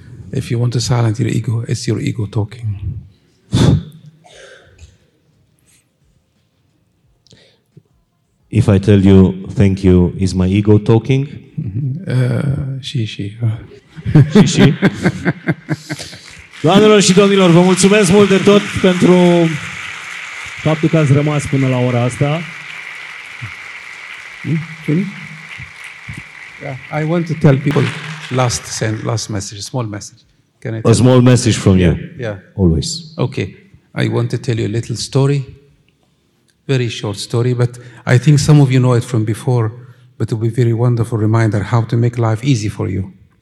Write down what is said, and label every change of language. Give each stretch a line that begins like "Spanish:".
English: If you want to silence your ego, it's your ego talking. If I tell you thank you, is my ego talking?
Romanian: Și. Doamnelor și domnilor, vă mulțumesc mult de tot pentru faptul că ați rămas până la ora asta.
English: I want to tell people last message, small message. Can I tell a small message from you? Yeah. Always. Okay. I want to tell you a little story. Very short story, but I think some of you know it from before, but it will be a very wonderful reminder how to make life easy for you.